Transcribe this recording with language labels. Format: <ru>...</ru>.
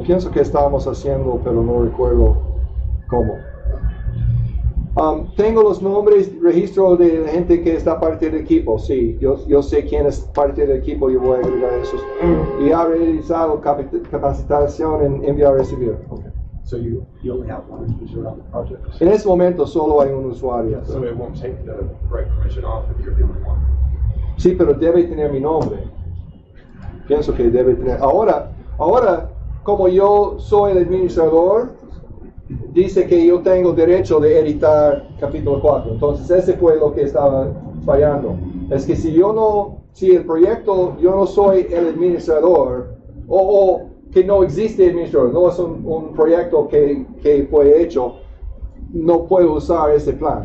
<es>Pienso que estábamos haciendo, pero no recuerdo cómo. Tengo los nombres, registro de la gente que está parte del equipo. Sí, yo sé quién es parte del equipo, yo voy a agregar esos. Y ha realizado capacitación en enviar y recibir.</es> <en>Okay. So you only have one user on the project. So</en> <es>en ese momento solo hay un usuario.</es> <en>Yeah, so it won't take the right permission off if you're the only one.</en> <es>Sí, pero debe tener mi nombre. Pienso que debe tener. Ahora, como yo soy el administrador, dice que yo tengo derecho de editar capítulo 4. Entonces ese fue lo que estaba fallando. Es que si yo no, si el proyecto, yo no soy el administrador, o que no existe administrador, no es un proyecto que fue hecho, no puedo usar ese plan.</es>